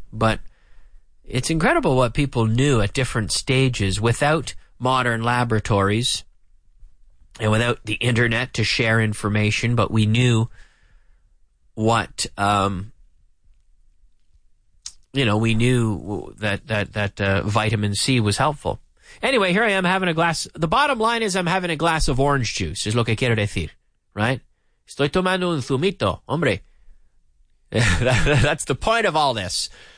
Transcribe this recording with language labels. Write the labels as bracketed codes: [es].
[en] But it's incredible what people knew at different stages without modern laboratories and without the internet to share information. But we knew what we knew that vitamin C was helpful. Anyway, here I am having a glass. The bottom line is I'm having a glass of orange juice, is [es] lo que quiero decir, [en] right? [es] Estoy tomando un zumito, hombre. [en] That's the point of all this.